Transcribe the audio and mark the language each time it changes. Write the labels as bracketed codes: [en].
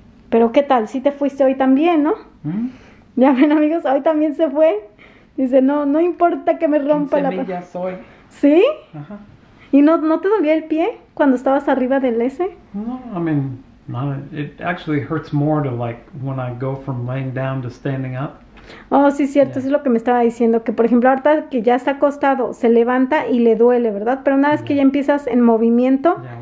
[es] Pero qué tal, si te fuiste hoy también, ¿no? ¿Mm? Ya ven, amigos, hoy también se fue. Dice, no, no importa que me rompa la pierna. ¿Sí? Ajá. ¿Y no te dolía el pie cuando estabas arriba del S? [en] No, I mean, no, it actually hurts more to like when I go from laying down to standing up. [es] Oh, sí, cierto, yeah. Eso es lo que me estaba diciendo, que por ejemplo, ahorita que ya está acostado, se levanta y le duele, ¿verdad? Pero una vez que ya empiezas en movimiento,